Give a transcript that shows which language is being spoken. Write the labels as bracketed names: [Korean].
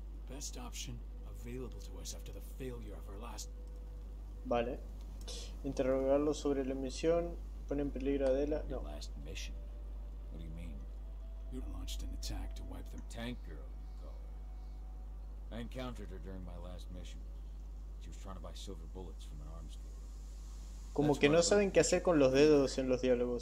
[English] Best option available to us after the failure of our last. [Spanish] Vale. Interrogarlo sobre la misión pone en peligro a Adela. No. [English] Your last mission. What do you mean? You launched an attack to wipe them. Tank girl, you call her. I encountered her during my last mission. She was trying to buy silver bullets from an arms dealer. [Spanish] Como que no saben qué hacer con los dedos en los diálogos.